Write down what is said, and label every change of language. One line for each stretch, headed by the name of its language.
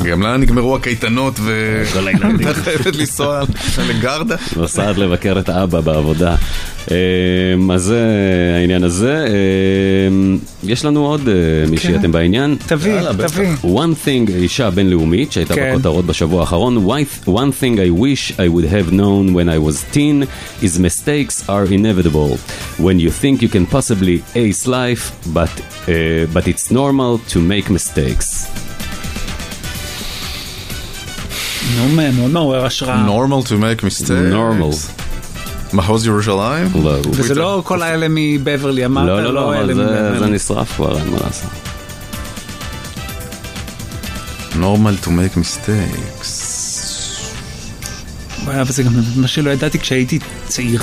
Hebrew: גם לה נגמרו הקייטנות, ו... אתה חייבת לנסוע לגרדה. נוסעת לבקר את אבא בעבודה. אז העניין הזה, יש לנו עוד מישהי, אתם בעניין? תביא.
English: One thing,
Hebrew: אישה בינלאומית שהייתה בכותרות בשבוע האחרון.
English: One thing I wish I would have known when I was teen is mistakes are inevitable when you think you can possibly ace life, but it's normal to make mistakes. Normal to make mistakes. Normal.
Hebrew: מחוז ירושלים? לא. וזה לא כל האלה מבברלי, אמרת? לא, לא, לא, זה נשרף כבר, אין מה לעשות.
English: Normal to make mistakes.
Hebrew: וואי, אבל זה גם מה שלא ידעתי כשהייתי צעירה.